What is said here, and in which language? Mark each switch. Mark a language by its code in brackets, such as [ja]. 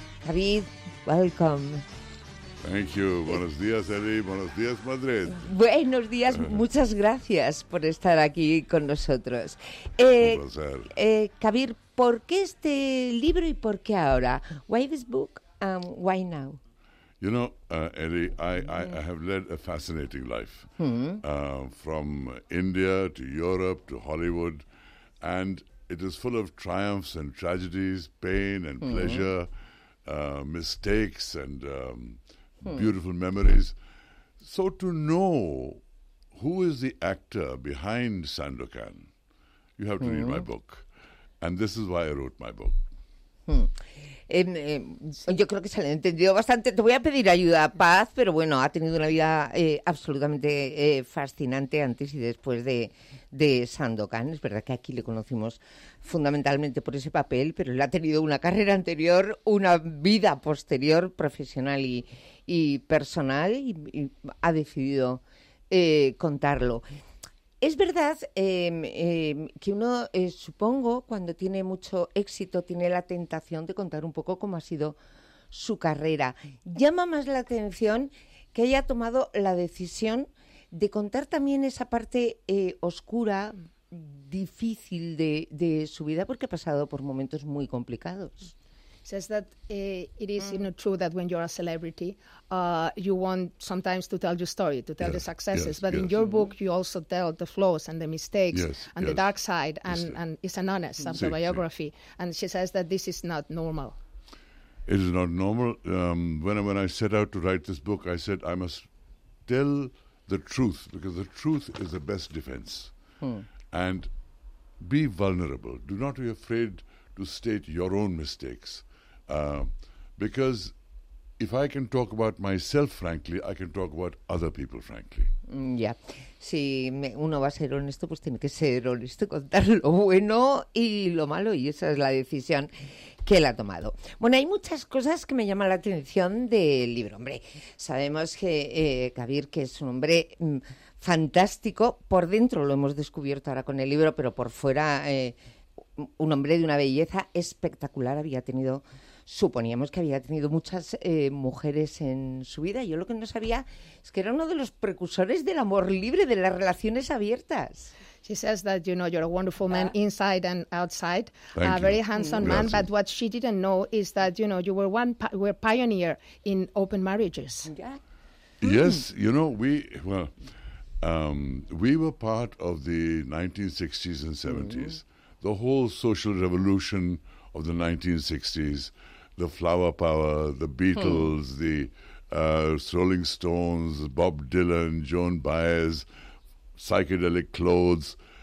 [en] Javier, welcome. Thank you. [es] Buenos días, Eli. Buenos días, Madrid. Buenos días. Muchas gracias por estar aquí con nosotros. Un placer. Javier, ¿por qué este libro y por qué ahora? [en] Why this book and why now? You know, Ellie, I have led a fascinating life, from India to Europe to Hollywood, and it is full of triumphs and tragedies, pain and pleasure, mistakes and beautiful memories. So to know who is the actor behind Sandokan, you have to read my book, and this is why I wrote my book. [es] Yo creo que se le ha entendido bastante. Te voy a pedir ayuda, Paz, pero bueno, ha tenido una vida absolutamente fascinante antes y después de Sandokan. Es verdad que aquí le conocimos fundamentalmente por ese papel, pero él ha tenido una carrera anterior, una vida posterior, profesional y personal, y ha decidido contarlo. Es verdad que uno, supongo, cuando tiene mucho éxito, tiene la tentación de contar un poco cómo ha sido su carrera. Llama más la atención que haya tomado la decisión de contar también esa parte oscura, difícil de su vida, porque ha pasado por momentos muy complicados. [en] Says that it is you know, true that when you're a celebrity, you want sometimes to tell your story, to tell the successes. Yes, but in your book, you also tell the flaws and the mistakes and the dark side, and it's an honest autobiography. And she says that this is not normal. It is not normal. When I set out to write this book, I said I must tell the truth, because the truth is the best defense. Hmm. And be vulnerable. Do not be afraid to state your own mistakes. Because if I can talk about myself frankly, I can talk about other people frankly. [es] Ya, si uno va a ser honesto, pues tiene que ser honesto, contar lo bueno y lo malo, y esa es la decisión que él ha tomado. Bueno, hay muchas cosas que me llaman la atención del libro. Hombre, sabemos que Kabir, que es un hombre fantástico, por dentro lo hemos descubierto ahora con el libro, pero por fuera un hombre de una belleza espectacular había tenido... Suponíamos que había tenido muchas mujeres en su vida. Yo lo que no sabía es que era uno de los precursores del amor libre, de las relaciones abiertas. [en] She says that, you know, you're a wonderful man inside and outside, a very handsome man, but what she didn't know is that, you know, you were were pioneer in open marriages. Yes, you know, we were part of the 1960s and 70s, the whole social revolution of the 1960s, the flower power, the Beatles, the Rolling Stones, Bob Dylan, Joan Baez, psychedelic clothes.